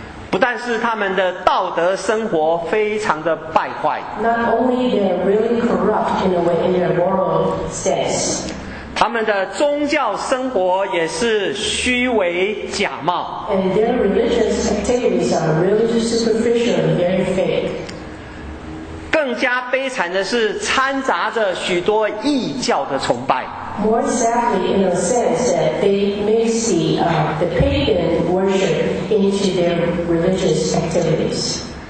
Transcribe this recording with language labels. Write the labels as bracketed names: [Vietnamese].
[Chinese] 不但是他们的道德生活非常的败坏， [English] Not only they are really corrupt in a way in their moral sense, [Chinese] 他们的宗教生活也是虚伪假冒， [English] And their religious activities are really superficial and very fake. [Chinese] 更加悲惨的是掺杂着许多异教的崇拜， [English] More sadly in a sense that they may see the pagan worshipinto their religious activities.